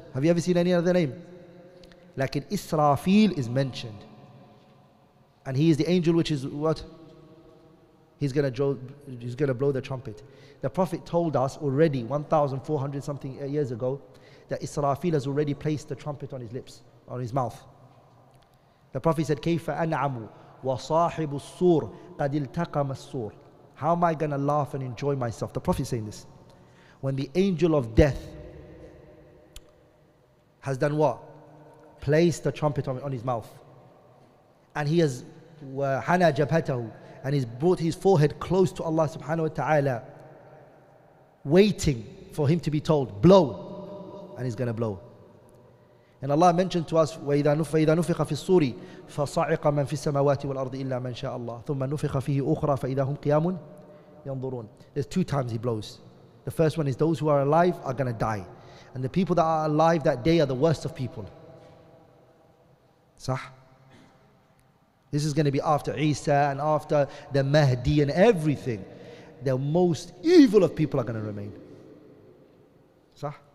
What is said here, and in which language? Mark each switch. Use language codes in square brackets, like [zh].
[en] Have you ever seen any other name? Like Israfil is mentioned. And he is the angel which is what? He's gonna blow the trumpet. The Prophet told us already 1,400 something years ago that Israfil has already placed the trumpet on his lips, on his mouth. The Prophet said, [ar] كَيْفَ أَنْعَمُ وَصَاحِبُ الصُّورِ قَدِ الْتَقَمَ الصُّورِ. [en] How am I gonna laugh and enjoy myself? The Prophet is saying this. When the angel of death has done what? Placed the trumpet on his mouth. And he has [ar] وَحَنَى جَبْهَتَهُ, [en] and he's brought his forehead close to Allah subhanahu wa ta'ala, waiting for him to be told, blow, and he's going to blow. And Allah mentioned to us, [ar] وَإِذَا نُفِخَ فِي الصُّورِ فَصَعِقَ مَنْ فِي السَّمَوَاتِ وَالْأَرْضِ إِلَّا مَنْ شَاءَ اللَّهِ ثُمَّ نُفِخَ فِيهِ أُخْرَى فَإِذَا هُمْ قِيَامٌ يَنْظُرُونَ. [en] There's two times he blows. The first one is those who are alive are going to die. And the people that are alive that day are the worst of people. [ar] صح? [en] This is going to be after Isa and after the Mahdi and everything. The most evil of people are going to remain. Sah?